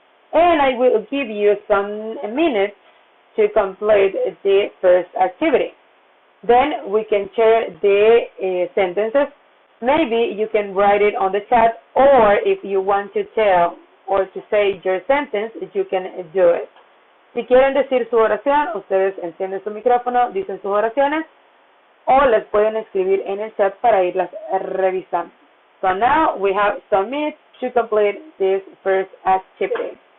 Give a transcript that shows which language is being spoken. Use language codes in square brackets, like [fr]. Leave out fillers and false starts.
[en] And I will give you some minutes to complete the first activity. Then we can share the sentences. Maybe you can write it on the chat, or if you want to tell or to say your sentence, you can do it. [es] Si quieren decir su oración, ustedes encienden su micrófono, dicen sus oraciones, o les pueden escribir en el chat para irlas revisando. [en] So now we have submit to complete this first activity.